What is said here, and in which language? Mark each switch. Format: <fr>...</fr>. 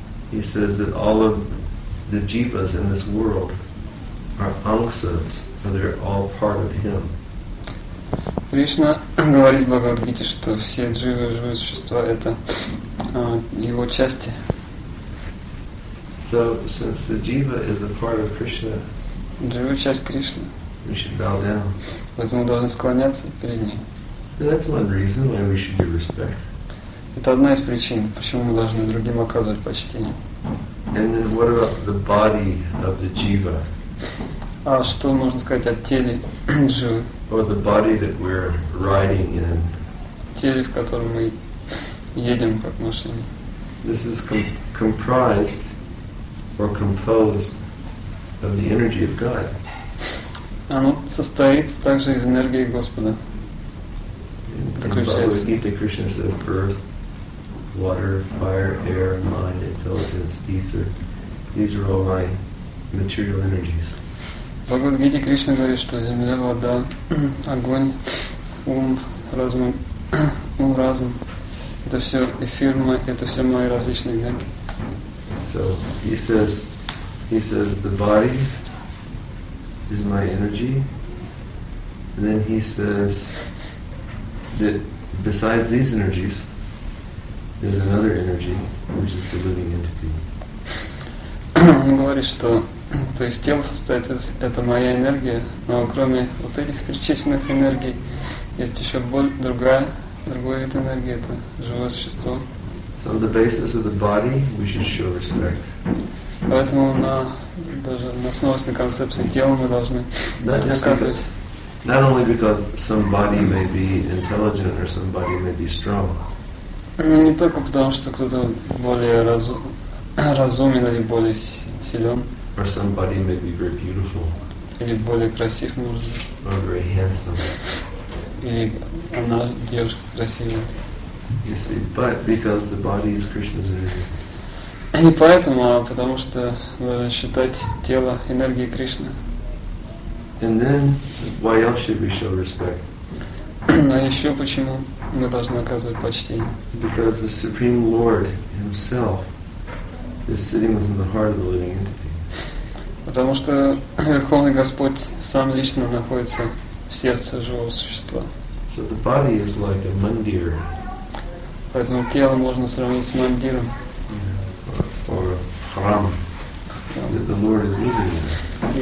<en>He says that all of the jivas in this world are vamsas, and they're all part of Him.</en> <ru>Кришна говорит в Бхагавад Гите, что все дживы, живые существа — это его части.</ru> <en>So, since the jiva is a part of Krishna,</en> <ru>дживы — часть Кришны,</ru> <en>we should bow down.</en> <ru>Поэтому мы должны склоняться перед ней.</ru> <en>That's one reason why we should give respect.</en> <ru>Это одна из причин, почему мы должны другим оказывать почтение.</ru> <en>And then what about the body of the jiva?</en> <ru>А что можно сказать о теле дживы?</ru> <en>Or the body that we're riding in.</en> <ru>Теле, в котором мы едем, как машине.</ru> <en>This is comprised or composed of the energy of God.</en> <ru>Оно состоит также из энергии Господа.</ru> <en>In Bhagavad Gita, Krishna says, earth, water, fire, air, mind, intelligence, ether. These are all my material energies.</en> <ru>Бхагавад-гите Кришна говорит, что земля, вода, огонь, ум, разум, это все эфирма, это все мои различные энергии.</ru> <en>So he says the body is my energy, and then he says that besides these energies, there's another energy, which is the living entity.</en> <ru>Он говорит, что то есть тело состоит из, это моя энергия, но кроме вот этих перечисленных энергий, есть еще другой вид энергии, это живое существо.</ru> <en>So on the basis of the body, we should show respect.</en> <ru>Поэтому даже на основе концепции тела мы должны оказывать.</ru> <en>Not only because somebody may be intelligent or somebody may be strong.</en> <ru>Не только потому, что кто-то более разумен или более силен.</ru> <en>Or somebody may be very beautiful.</en> <ru>Или более красив, может быть.</ru> <en>Or very handsome.</en> <ru>Или она девушка красивая.</ru> <en>You see, but because the body is Krishna's energy.</en> <ru>Не поэтому, а потому что нужно считать тело энергией Кришны.</ru> <en>And then, why else should we show respect?</en> <ru>А еще почему мы должны оказывать почтение?</ru> <en>Because the Supreme Lord Himself is sitting within the heart of the living entity.</en> <ru>Потому что Верховный Господь сам лично находится в сердце живого существа.</ru> <en>So the body is like a mandir.</en> <ru>Поэтому тело можно сравнить с мандиром.</ru> <en>Yeah. Or храм. That the Lord is living in.</en>